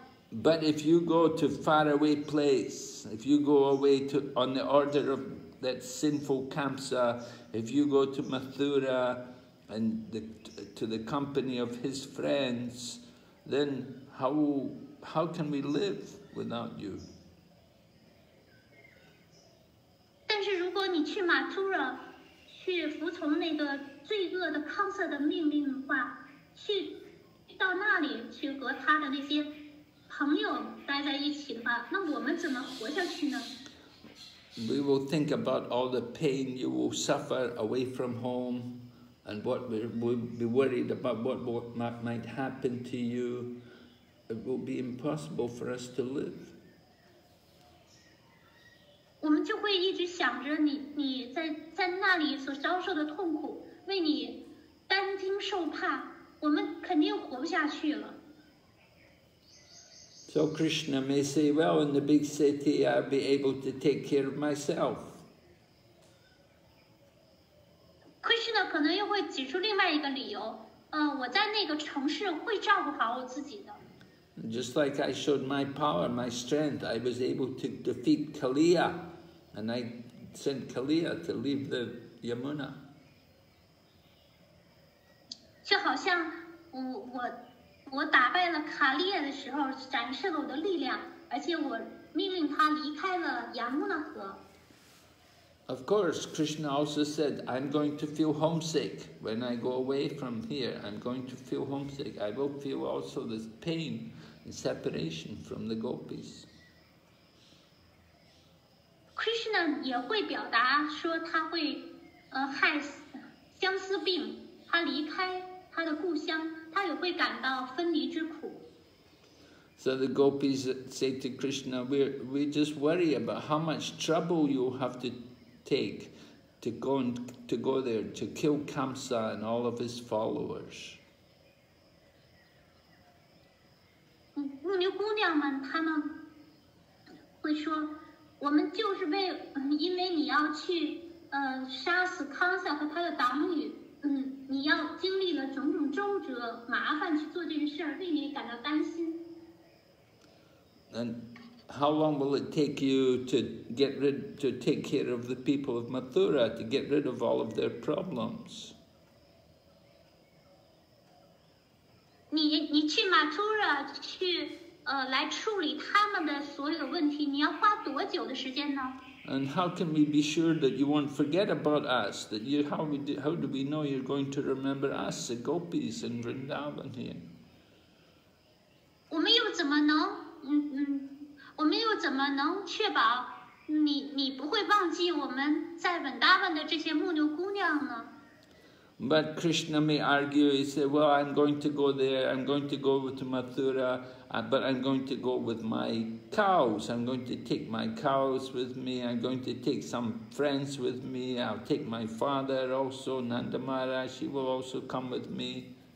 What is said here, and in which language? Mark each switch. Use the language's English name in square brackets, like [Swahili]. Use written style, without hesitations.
[English] But if you go to faraway place, if you go away to on the order of that sinful Kamsa, if you go to Mathura and to the company of his friends, then how can we live without you? [Chinese] 但是如果你去马图拉，去服从那个罪恶的康瑟的命令的话，去到那里去和他的那些朋友待在一起的话，那我们怎么活下去呢？ [English] We will think about all the pain you will suffer away from home, and what we will be worried about what might happen to you. It will be impossible for us to live. [Chinese] 我们就会一直想着你在那里所遭受的痛苦，为你担惊受怕，我们肯定活不下去了。 [English] So Krishna may say, well, in the big city, I'll be able to take care of myself. [Chinese] Krishna 可能又会举出另外一个理由，我在那个城市会照顾好我自己的。 [English] Just like I showed my power, my strength, I was able to defeat Kaliya, and I sent Kaliya to leave the Yamuna. [Chinese] 就好像我打败了卡利亚的时候，展示了我的力量，而且我命令他离开了亚穆纳河。 [English] Of course, Krishna also said, I'm going to feel homesick when I go away from here. I'm going to feel homesick. I will feel also this pain and separation from the gopis. [Chinese] Krishna 也会表达说他会害相思病，他离开他的故乡，他也会感到分离之苦。 [English] So the gopis say to Krishna, we just worry about how much trouble you have to take to go there to kill Kamsa and all of his followers. [Chinese] 牧牛姑娘们，她们会说，我们就是因为你要去杀死康萨和他的党羽，你要经历了种种周折麻烦去做这个事儿，为你感到担心。 [English] And how long will it take you to take care of the people of Mathura, to get rid of all of their problems? [Chinese] 你去 Mathura 去来处理他们的所有问题，你要花多久的时间呢？ [English] And how can we be sure that you won't forget about us? That you how do we know you're going to remember us, the gopis in Vrindavan here? [Chinese] 我们又怎么能我们又怎么能确保你不会忘记我们在文达文的这些牧牛姑娘呢？ [English] But Krishna may argue, he said, well, I'm going to go there, I'm going to go to Mathura, but I'm going to go with my cows, I'm going to take my cows with me, I'm going to take some friends with me, I'll take my father also, Nanda Maharaj, she will also come with me.